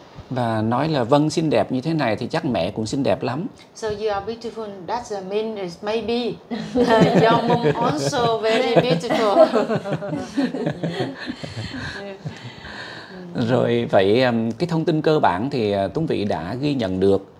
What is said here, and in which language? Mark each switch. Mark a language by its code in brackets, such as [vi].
[vi] Và nói là Vân xinh đẹp như thế này thì chắc mẹ cũng xinh đẹp lắm. [en] So you are beautiful. That's the mean is maybe your mom also very beautiful. [vi] Rồi vậy cái thông tin cơ bản thì Túng Vị đã ghi nhận được.